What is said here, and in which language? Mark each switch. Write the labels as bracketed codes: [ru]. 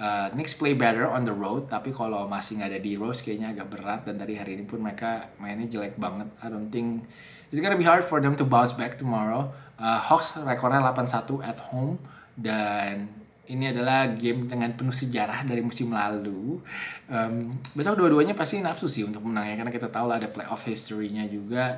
[en] Knicks play better on the road, [id] tapi kalau masih nggak ada di road kayaknya agak berat, dan dari hari ini pun mereka mainnya jelek banget. [en] I don't think it's gonna be hard for them to bounce back tomorrow. [id] Hawks rekornya 8-1 [en] at home, [id] dan ini adalah game dengan penuh sejarah dari musim lalu. Besok dua-duanya pasti nafsu sih untuk menang ya, karena kita tahu lah ada playoff history-nya juga.